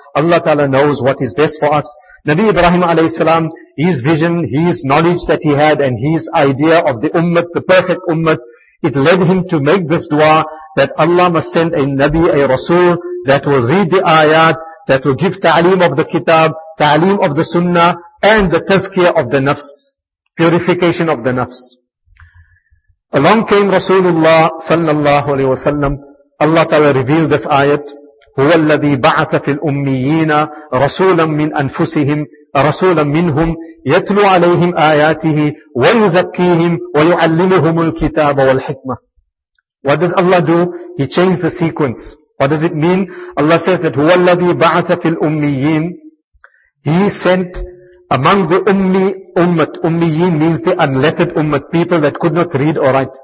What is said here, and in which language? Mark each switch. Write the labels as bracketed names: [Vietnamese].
[English] Allah Ta'ala knows what is best for us. Nabi Ibrahim alayhi salam, his vision, his knowledge that he had, and his idea of the ummah, the perfect ummah, it led him to make this dua that Allah must send a Nabi, a Rasul, that will read the ayat, that will give ta'aleem of the kitab, ta'aleem of the sunnah, and the tazkiyah of the nafs, purification of the nafs. Along came Rasulullah sallallahu alayhi wa sallam, Allah Ta'ala revealed this ayat, [Arabic] هُوَ الَّذِي بَعَثَ فِي الْأُمِّيِّينَ رَسُولًا مِّنْ أَنفُسِهِمْ رَسُولًا مِّنْهُمْ يَتْلُو عَلَيْهِمْ آيَاتِهِ وَيُزَكِّيهِمْ وَيُعَلِّمُهُمُ الْكِتَابَ وَالْحِكْمَةِ. [English] What does Allah do? He changed the sequence. What does it mean? Allah says that [Arabic] هُوَ الَّذِي بَعَثَ فِي الْأُمِّيِّينَ, [English] He sent among the ummi ummat. Ummiyin means the unlettered ummat, people that could not read or write.